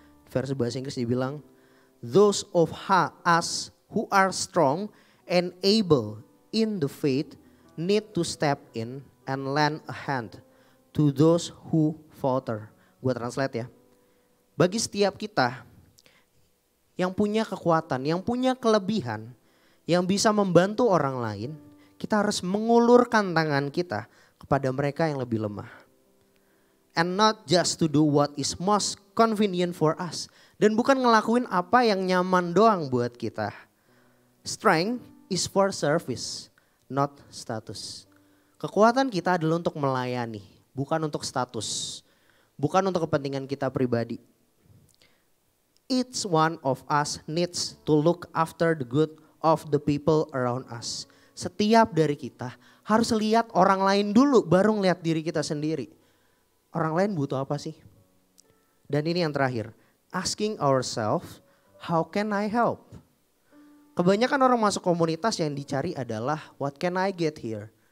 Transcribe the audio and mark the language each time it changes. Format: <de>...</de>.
<id>Versi bahasa Inggris dibilang,</id> <en>those of us who are strong and able in the faith need to step in and lend a hand to those who falter.</en> <id>Gue translate ya. Bagi setiap kita yang punya kekuatan, yang punya kelebihan, yang bisa membantu orang lain, kita harus mengulurkan tangan kita kepada mereka yang lebih lemah.</id> <en>And not just to do what is most convenient for us.</en> <id>Dan bukan ngelakuin apa yang nyaman doang buat kita.</id> <en>Strength is for service, not status.</en> <id>Kekuatan kita adalah untuk melayani, bukan untuk status. Bukan untuk kepentingan kita pribadi.</id> <en>Each one of us needs to look after the good of the people around us.</en> <id>Setiap dari kita harus lihat orang lain dulu, baru ngelihat diri kita sendiri. Orang lain butuh apa sih? Dan ini yang terakhir,</id> <en>asking ourselves, how can I help?</en> <id>Kebanyakan orang masuk komunitas yang dicari adalah,</id> <en>what can I get here?</en>